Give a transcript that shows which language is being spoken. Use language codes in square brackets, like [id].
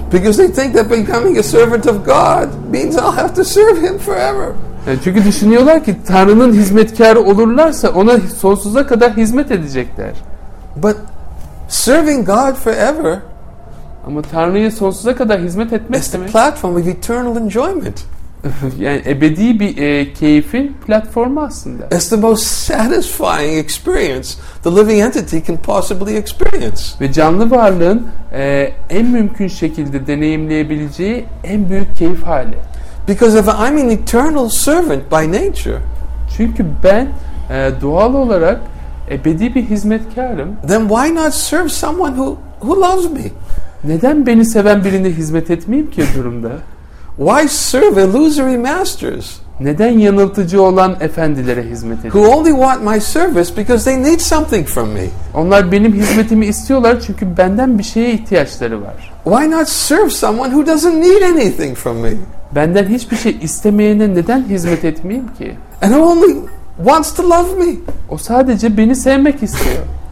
[en] Because they think that becoming a servant of God means I'll have to serve him forever. [tr] Yani çünkü düşünüyorlar ki Tanrı'nın hizmetkarı olurlarsa ona sonsuza kadar hizmet edecekler. [en] But serving God forever, [tr] ama Tanrı'ya sonsuza kadar hizmet etmek demek, [en] is the platform of eternal enjoyment. [tr] Yani ebedi bir keyfin platformu aslında. [en] It's the most satisfying experience the living entity can possibly experience. [tr] Ve canlı varlığın en mümkün şekilde deneyimleyebileceği en büyük keyif hali. [en] Because if I'm an eternal servant by nature, [tr] çünkü ben doğal olarak ebedi bir hizmetkarım. [en] Then why not serve someone who loves me? [tr] Neden beni seven birine hizmet etmeyeyim ki durumda? [en] Why serve illusory masters? [tr] Neden yanıltıcı olan efendilere hizmet edeyim? [en] Who only want my service because they need something from me? [tr] Onlar benim hizmetimi istiyorlar çünkü benden bir şeye ihtiyaçları var. [en] Why not serve someone who doesn't need anything from me? [tr] Benden hiçbir şey istemeyene neden hizmet etmeyeyim ki? [en] And only wants to love me. [tr] O sadece beni sevmek istiyor.